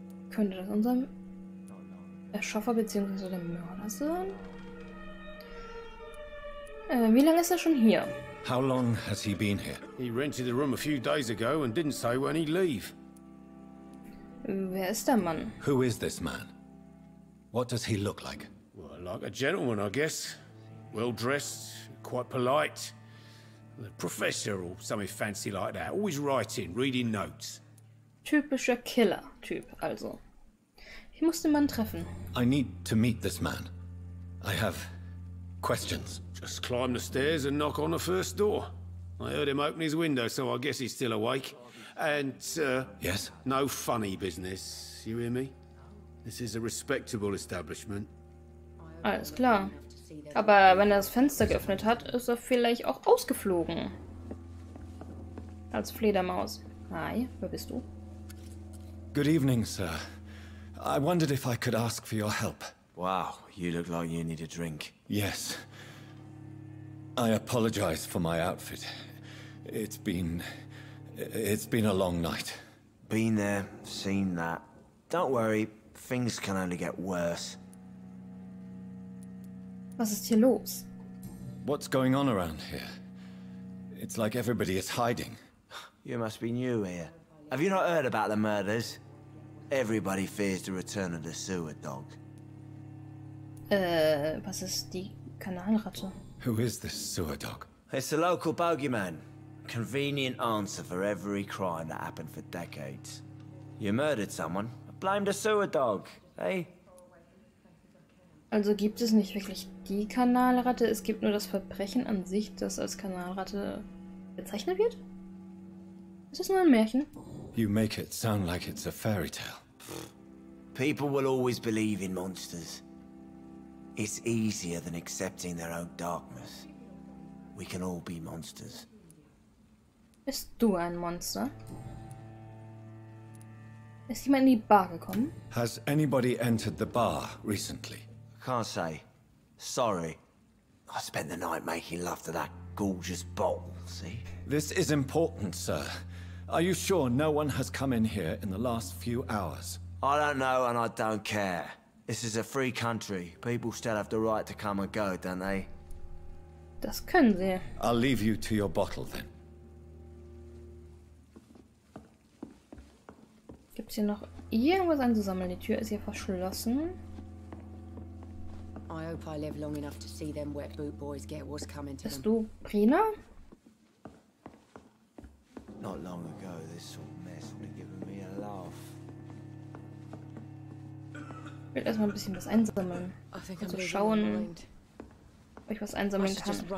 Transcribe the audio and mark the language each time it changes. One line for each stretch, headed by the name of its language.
German: Könnte das unser Erschaffer bzw. der Mörder sein? Wie lange ist er schon hier?
English: How long has he been here? He rented the room a few days ago and didn't say when he'd leave. Wer ist der Mann? Who is this man? What does he look like? Well, like a gentleman, I guess. Well dressed, quite polite. A professor or something fancy like that. Always writing, reading notes.
German: Typischer Killer-Typ, also. Ich muss den Mann treffen.
English: I need to meet this man. I have questions. Just climb the stairs and knock on the first door. I heard him open his window, so I guess he's still awake. And, Yes? No funny business, you hear me? This is a respectable establishment.
German: Alles klar. Aber wenn er das Fenster geöffnet hat, ist er vielleicht auch ausgeflogen. Als Fledermaus. Hi, wer bist du?
English: Good evening, sir. I wondered if I could ask for your help. Wow, you look like you need a drink. Yes. I apologize for my outfit. It's been a long night. Been there, seen that. Don't worry, things can only get worse.
German: Was ist hier los?
English: What's going on around here? It's like everybody is hiding. You must be new here. Have you not heard about the murders? Everybody fears the return of the sewer dog.
German: Was ist die Kanalratte?
English: Who is this sewer dog? It's the local bogeyman. Convenient answer for every crime that happened for decades. You murdered someone. Blame the sewer dog, hey?
German: Also gibt es nicht wirklich die Kanalratte, es gibt nur das Verbrechen an sich, das als Kanalratte bezeichnet wird? Ist das nur ein Märchen?
English: You make it sound like it's a fairy tale. People will always believe in monsters. It's easier than accepting their own darkness. We can all be monsters.
German: Bist du ein Monster? Ist jemand in die Bar gekommen?
English: Has anybody entered the bar recently? Can't say. Sorry. I spent the night making love to that gorgeous bottle, see? This is important, sir. Are you sure no one has come in here in the last few hours? I don't know and I don't care. This is a free country. People still have the right to come and go, don't they?
German: Das können sie.
English: I'll leave you to your bottle then.
German: Gibt's hier noch irgendwas einzusammeln? Die Tür ist hier verschlossen.
English: I hope I live long enough to see them wet boot boys get what's coming to them.
German: Bist du Prina?
English: Not long ago, this sort of mess would have given me a laugh.
German: Ich will erstmal ein bisschen was einsammeln. Also schauen, ob ich was einsammeln kann.